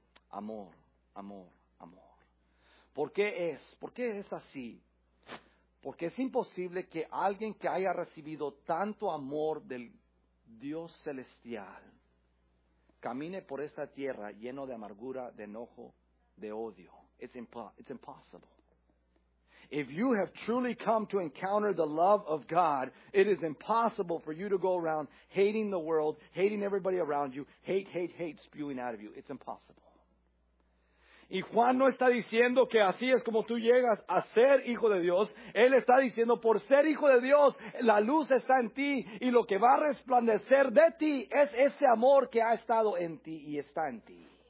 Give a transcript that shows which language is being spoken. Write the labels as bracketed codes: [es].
[es] Amor, amor, amor. ¿Por qué es? ¿Por qué es así? Porque es imposible que alguien que haya recibido tanto amor del Dios celestial camine por esta tierra lleno de amargura, de enojo, de odio. [en] It's impossible. If you have truly come to encounter the love of God, it is impossible for you to go around hating the world, hating everybody around you, hate, hate, hate, spewing out of you. It's impossible. [es] Y Juan no está diciendo que así es como tú llegas a ser hijo de Dios. Él está diciendo, por ser hijo de Dios, la luz está en ti. Y lo que va a resplandecer de ti es ese amor que ha estado en ti y está en ti.